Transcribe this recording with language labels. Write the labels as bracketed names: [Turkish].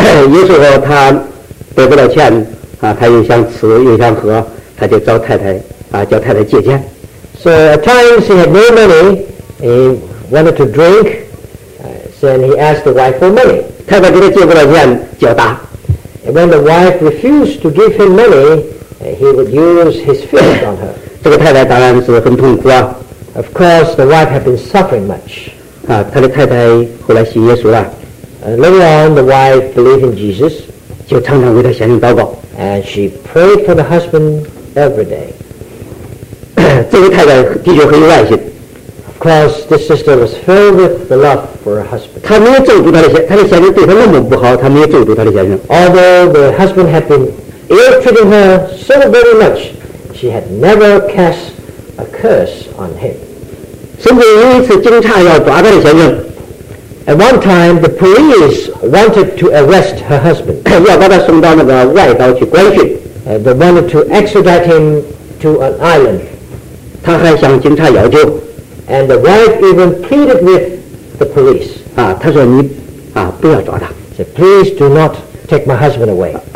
[Chinese] 有时候他得不了钱，他又想吃又想喝，他就找太太，叫太太借钱。 [English] So at times he had no money, he wanted to drink, and he asked the wife for money. [Chinese] 太太给他借不了钱，叫打。 [English] When the wife refused to give him money, he would use his fist on her. [Chinese] 这个太太当然是很痛苦啊。 [English] Of course, the wife had been suffering much. [Chinese] 她的太太后来信耶稣了。 [English] Later on, the wife believed in Jesus. [Chinese] 就常常为她先生祷告。 [English] And she prayed for the husband every day. [Chinese] 这个太太的确很有爱心。 [English] Of course, this sister was filled with the love for her husband. [Chinese] 她没有咒诅她的先生对她那么不好，她没有咒诅她的先生。 [English] Although the husband had been ill-treating her so very much, she had never cast a curse on him. [Chinese] 甚至有一次警察要抓她的先生。 [English] At one time, the police wanted to arrest her husband. [Chinese] 要把她送到那个外岛去关训。 [English] They wanted to extradite him to an island. [Chinese] 她还向警察要求。 [English] And the wife even pleaded with the police. [Chinese] 她说你不要抓她。 [English] Said, please do not take my husband away.